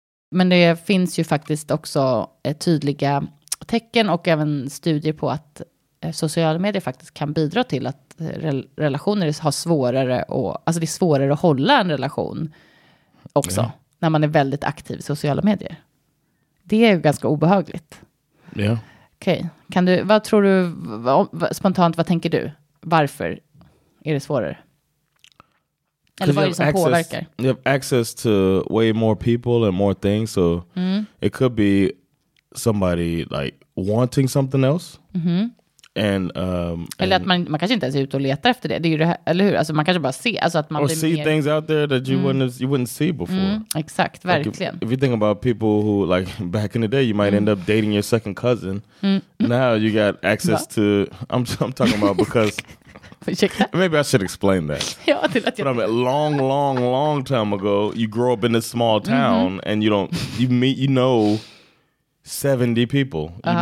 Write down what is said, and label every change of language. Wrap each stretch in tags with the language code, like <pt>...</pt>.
<sv>Men det finns ju faktiskt också tydliga tecken och även studier på att sociala medier faktiskt kan bidra till att relationer har svårare och alltså det är svårare att hålla en relation också när man är väldigt aktiv i sociala medier. Det är ju ganska obehagligt. Ja. Okej. Kan du, vad tror du spontant, vad tänker du? Varför är det svårare? Eller vad det som påverkar?</sv> <en>You have access to way more people and more things, so it could be somebody like wanting something else. Mm-hmm. And</en> <sv>eller att man kanske inte ens är ute och letar efter det. Det är ju det här, eller hur? Alltså man kanske bara ser, alltså att man</sv> <en>or see things out there that you wouldn't see before.</en> <sv>Mm, exakt, verkligen.</sv> <en>Like if you think about people who like back in the day, you might end up dating your second cousin. Mm. Now you got access to. I'm talking about because. Maybe I should explain that. But I mean, long time ago, you grow up in a small town and you meet 70 people. Uh-huh.</en>